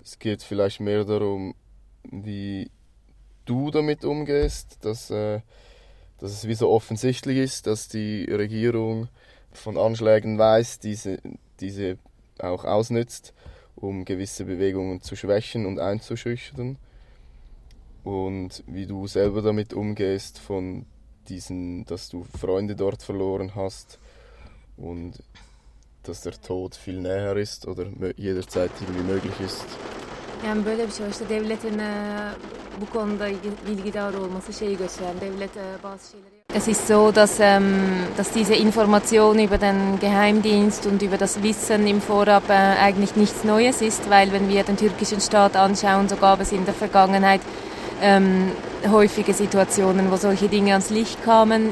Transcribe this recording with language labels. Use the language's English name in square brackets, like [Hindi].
[German] Es geht vielleicht mehr darum, wie du damit umgehst, dass es wie so offensichtlich ist, dass die Regierung von Anschlägen weiß, diese auch ausnützt, um gewisse Bewegungen zu schwächen und einzuschüchtern. Und wie du selber damit umgehst, von diesen, dass du Freunde dort verloren hast und dass der Tod viel näher ist oder jederzeit irgendwie möglich ist. [Turkish] Yani böyle bir şey işte devletin bu konuda bilgidar olması şeyi gösteren devlet bazı şeyleri... [German] Es ist so, dass diese Information über den Geheimdienst und über das Wissen im Vorab eigentlich nichts Neues ist, weil wenn wir den türkischen Staat anschauen, so gab es in der Vergangenheit häufige Situationen, wo solche Dinge ans Licht kamen.